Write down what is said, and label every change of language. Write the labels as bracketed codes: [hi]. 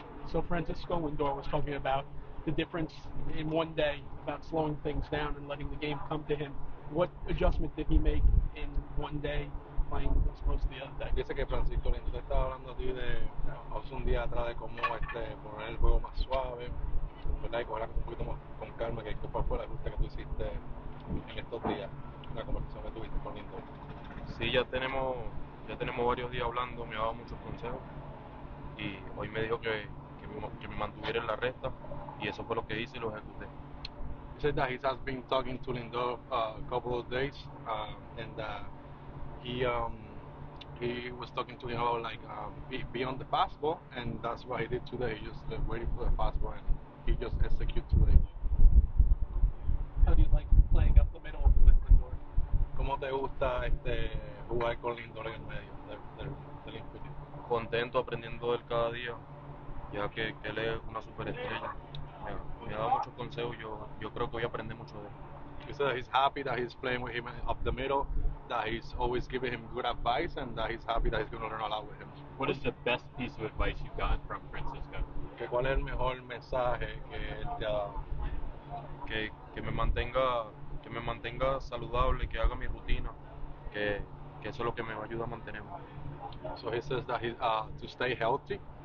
[en] So Francisco Lindor was talking about the difference in one day, about slowing things down and letting the game come to him. What adjustment did he make in one day playing as opposed to the other day? [es] Dice que Francisco Lindor estaba hablando a ti de hace un día atrás de cómo poner el juego más suave, ¿verdad? Y cogerla un poquito más con calma, que esto fue la ruta que tú hiciste en estos días, la conversación que tuviste con Lindor. Sí, ya tenemos varios días hablando, me ha dado muchos consejos y hoy me dijo que me mantuviera en la recta y eso fue lo que hice y lo ejecuté. [en] He said that he has been talking to Lindor a couple of days and he was talking to him about like be on the fastball, and that's what he did today. He just waiting for the fastball and he just executed today. How do you like playing up the middle with Lindor? [es] ¿Cómo te gusta jugar con Lindor en el medio del infield? Contento aprendiendo de él cada día, ya que él es una superestrella. Me ha dado muchos consejos, yo creo que voy a aprender mucho de él. [en] He said that he's happy that he's playing with him up the middle, that he's always giving him good advice, and that he's happy that he's going to learn a lot with him. What is the best piece of advice you got from Francisco? [es] ¿Que cuál es el mejor mensaje que él te ha que me mantenga saludable, que haga mi rutina, que eso es lo que me ayuda a mantenerme. [en] So he says that he to stay healthy.